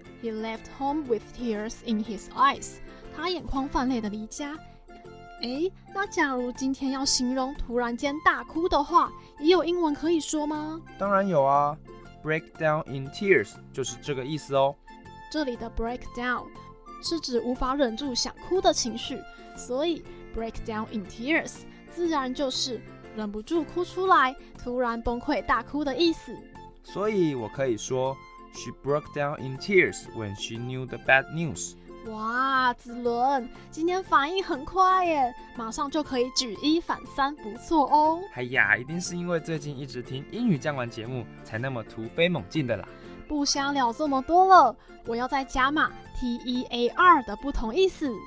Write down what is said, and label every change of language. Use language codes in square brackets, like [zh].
[en] He left home with tears in his eyes. [zh] 他眼眶泛泪的离家。诶，那假如今天要形容突然间大哭的话，也有英文可以说吗？当然有啊， [en] break down in tears [zh] 就是这个意思哦。这里的 break down 是指无法忍住想哭的情绪，所以 [en] break down in tears [zh] 自然就是忍不住哭出来，突然崩溃大哭的意思。所以我可以说 [en] She broke down in tears when she knew the bad news. [zh] 哇，子伦，今天反应很快耶，马上就可以举一反三，不错哦。哎呀，一定是因为最近一直听英语讲完节目，才那么突飞猛进的啦。不想聊这么多了，我要再加码 tear 的不同意思。